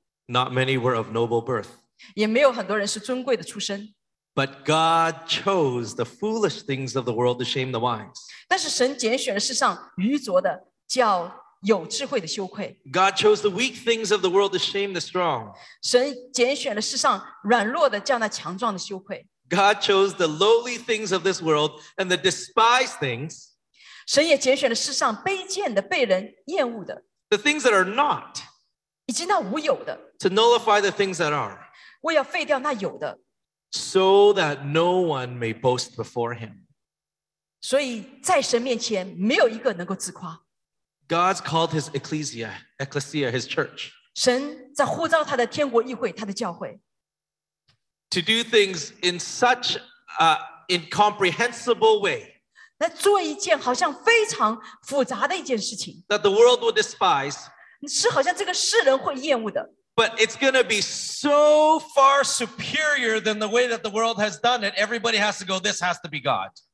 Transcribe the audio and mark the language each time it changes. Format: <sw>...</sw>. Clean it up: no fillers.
<en>not many were of noble birth.</en> <zh>也没有很多人是尊贵的出身,</zh> <en>but God chose the foolish things of the world to shame the wise.</en> <zh>但是神拣选世上愚拙的, 叫有智慧的羞愧,</zh> <en>God chose the weak things of the world to shame the strong.</en> <zh>神拣选了世上软弱的, 叫那强壮的羞愧,</zh> <en>God chose the lowly things of this world and the despised things.</en> <zh>神也拣选了世上卑贱的, 被人厌恶的,</zh> <en>the things that are not,</en> <zh>已经那无有的,</zh> <en>to nullify the things that are,</en> <zh>为要废掉那有的,</zh> <en>so that no one may boast before him.</en> <zh>所以在神面前没有一个能够自夸,</zh> <en>God's called his ecclesia, ecclesia, his church,</en> <zh>神在呼召他的天国议会, 他的教会,</zh> <en>to do things in such an incomprehensible way,</en> <zh>那做一件好像非常复杂的一件事情,</zh> <en>that the world will despise,</en> <zh>是好像这个世人会厌恶的,</zh> <en>but it's going to be so far superior than the way that the world has done it, everybody has to go, this has to be God.</en>